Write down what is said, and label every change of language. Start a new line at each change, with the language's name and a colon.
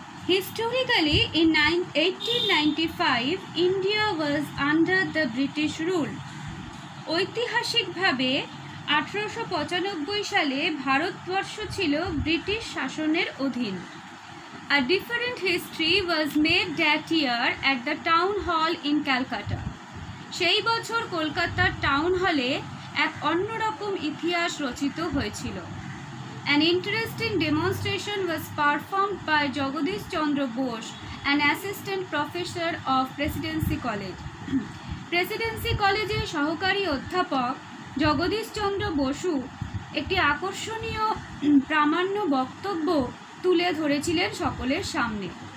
English: Historically in 1895 India was under the British rule.
Bangla: ঐতিহাসিকভাবে 1895 সালে ভারতবর্ষ ছিল ব্রিটিশ শাসনের অধীন।
English: A different history was made that year at the town hall in Calcutta.
Bangla: সেই বছর কলকাতার টাউন হলে এক অন্যরকম ইতিহাস রচিত হয়েছিল।
English: An interesting demonstration was performed by Jagadish Chandra Bose, an assistant professor of Presidency College.
Bangla: Presidency College-এর সহকারী অধ্যাপক জগদীশ চন্দ্র বসু একটি আকর্ষণীয় প্রামাণ্য বক্তব্য তুলে ধরেছিলেন সকলের সামনে।